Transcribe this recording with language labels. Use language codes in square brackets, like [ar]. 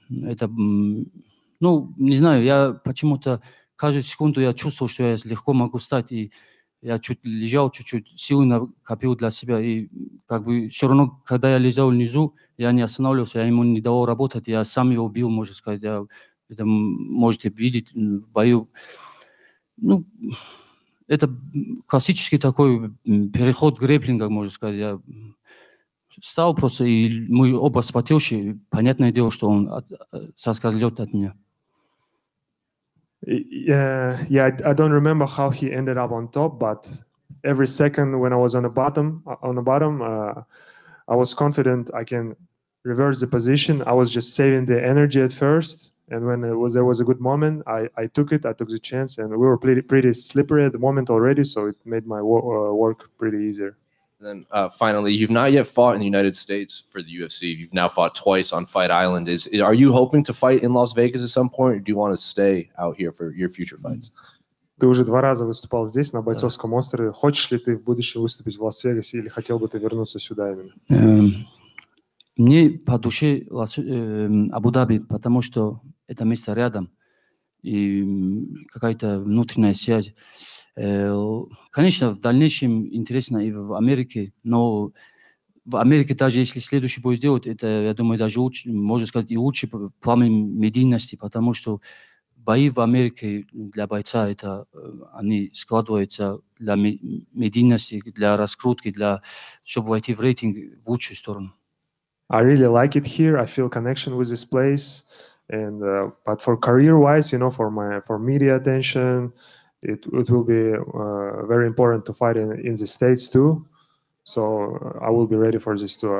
[ru] Это, ну, не знаю, я почему-то каждую секунду я чувствовал, что я легко могу встать, и я чуть лежал, чуть-чуть силы накопил для себя, и как бы все равно, когда я лежал внизу, я не останавливался, я ему не давал работать, я сам его убил, можно сказать, я это можете видеть в бою. Ну, это классический такой переход грэпплинга, можно сказать. Я встал просто, и мы оба спотевшие, понятное дело, что он соскользнет от меня. [en] Yeah, I don't remember how he ended up on top, but every second when I was on the bottom, I was confident I can reverse the position. I was just saving the energy at first, and when there was a good moment, I took it. I took the chance, and we were pretty slippery at the moment already, so it made my work pretty easier. And then finally, you've not yet fought in the United States for the UFC. You've now fought twice on Fight Island. Are you hoping to fight in Las Vegas at some point, or do you want to stay out here for your future fights? [ru] Ты уже два раза выступал здесь, на бойцовском острове. Хочешь ли ты в будущем выступить в Лас-Вегасе, или хотел бы ты вернуться сюда именно? Мне по душе Абу-Даби, потому что это место рядом, и какая-то внутренняя связь. Конечно, в дальнейшем интересно и в Америке, но в Америке даже если следующий бой сделать, это, я думаю, даже лучше, можно сказать, и лучше в плане медийности, потому что бои в Америке для бойца, это они складываются для медийности, для раскрутки, для чтобы войти в рейтинг в лучшую сторону. [en] I really like it here. I feel connection with this place, and but for career-wise, you know, for media attention, it will be very important to fight in the States too. So I will be ready for this too.